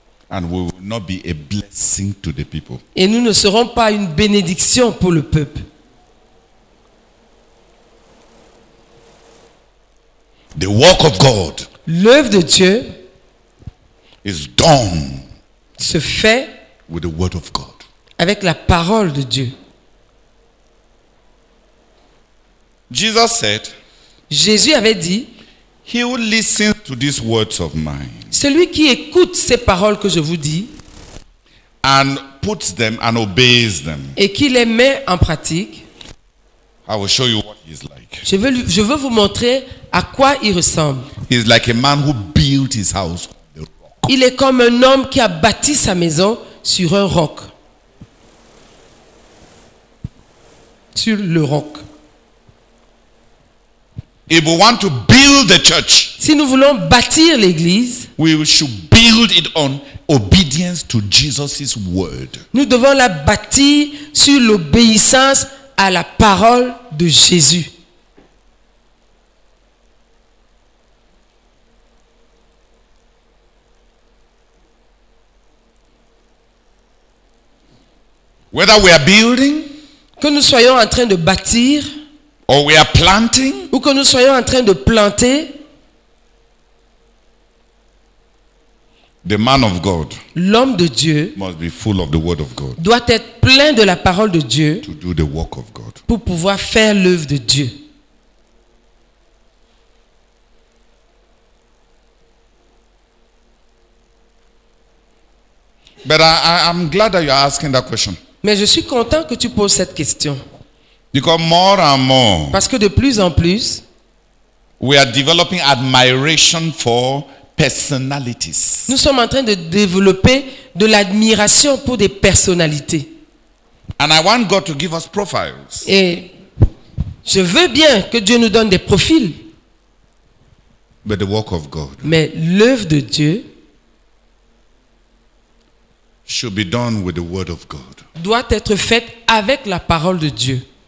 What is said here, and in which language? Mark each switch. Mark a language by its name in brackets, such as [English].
[English] And we will not be a blessing to the people. [French] Et nous ne serons pas une bénédiction pour le peuple. [English] The work of God. [French] L'œuvre de Dieu. [English] Is done. [French] Se fait [English] with the word of God. [French] Avec la parole de Dieu. [English] Jesus said, [French] Jésus avait dit, [English] he who listens to these words of mine, [French] celui qui écoute ces paroles que je vous dis, [English] and puts them and obeys them, [French] et qui les met en pratique, [English] I will show you what he is like. [French] Je veux vous montrer à quoi il ressemble. [English] He is like a man who built his house. [French] Il est comme un homme qui a bâti sa maison sur un roc. Sur le roc. [English] If we want to build the church, [French] si nous voulons bâtir l'église, [English] we should build it on obedience to Jesus's word. [French] Nous devons la bâtir sur l'obéissance à la parole de Jésus. [English] Whether we are building, [French] que nous soyons en train de bâtir, [English] or we are planting, [French] ou que nous soyons en train de planter, [English] the man of God, [French] l'homme de Dieu, [English] must be full of the word of God, [French] doit être plein de la parole de Dieu, [English] to do the work of God, [French] pour pouvoir faire l'œuvre de Dieu. [English] But I'm glad that you are asking that question. [French] Mais je suis content que tu poses cette question. [English] Because more and more, [French] parce que de plus en plus, [English] we are developing admiration for personalities. [French] Nous sommes en train de développer de l'admiration pour des personnalités. [English] And I want God to give us profiles. [French] Et je veux bien que Dieu nous donne des profils. [English] But the work of God. [French] Mais l'œuvre de Dieu [English] should be done with the word of God. [French] Doit être faite avec la parole de Dieu.